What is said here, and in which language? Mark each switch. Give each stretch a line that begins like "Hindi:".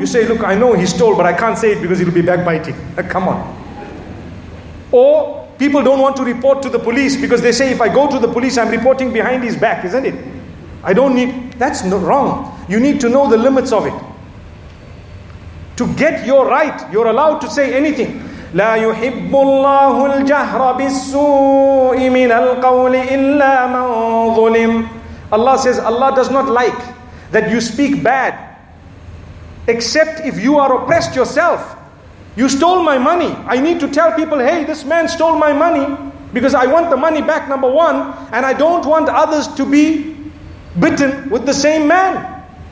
English: You say, look, I know he stole, but I can't say it because it'll be backbiting. Come on. Or People don't want to report to the police because they say, if I go to the police, I'm reporting behind his back, isn't it? I don't need, that's not wrong. You need to know the limits of it. To get your right, you're allowed to say anything.
Arabic: لا يحب الله الجهر بالسوء من القول إلا من ظلم.
English: Allah says, Allah does not like that you speak bad, except if you are oppressed yourself. You stole my money. I need to tell people, hey, this man stole my money, because I want the money back, number one, and I don't want others to be bitten with the same man.